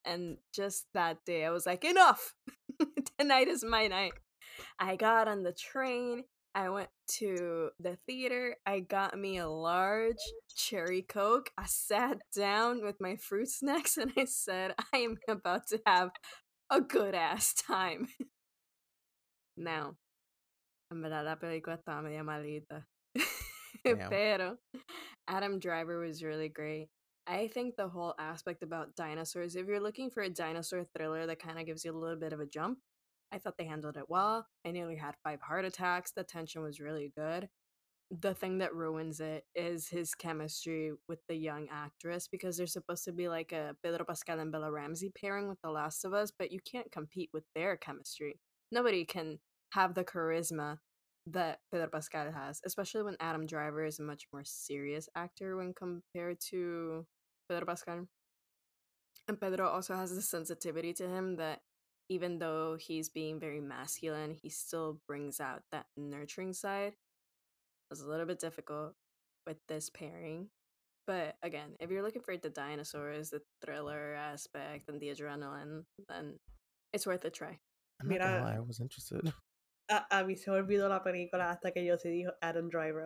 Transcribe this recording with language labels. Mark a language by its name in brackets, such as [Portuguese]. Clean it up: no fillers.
[English] And just that day, I was like, enough. Tonight is my night. I got on the train. I went to the theater. I got me a large cherry Coke. I sat down with my fruit snacks and I said, I am about to have a good ass time. [Spanish] Now, en verdad, la película está media malita. [English] Pero Adam Driver was really great. I think the whole aspect about dinosaurs, if you're looking for a dinosaur thriller that kind of gives you a little bit of a jump, I thought they handled it well. I nearly had 5 heart attacks. The tension was really good. The thing that ruins it is his chemistry with the young actress, because they're supposed to be like a Pedro Pascal and Bella Ramsey pairing with The Last of Us, but you can't compete with their chemistry. Nobody can have the charisma that Pedro Pascal has, especially when Adam Driver is a much more serious actor when compared to Pedro Pascal. And Pedro also has a sensitivity to him that even though he's being very masculine, he still brings out that nurturing side. It was a little bit difficult with this pairing. But again, if you're looking for the dinosaurs, the thriller aspect, and the adrenaline, then it's worth a try. I'm not gonna lie, I was interested. [Spanish] A mí se me olvidó la película hasta que yo se dijo Adam Driver.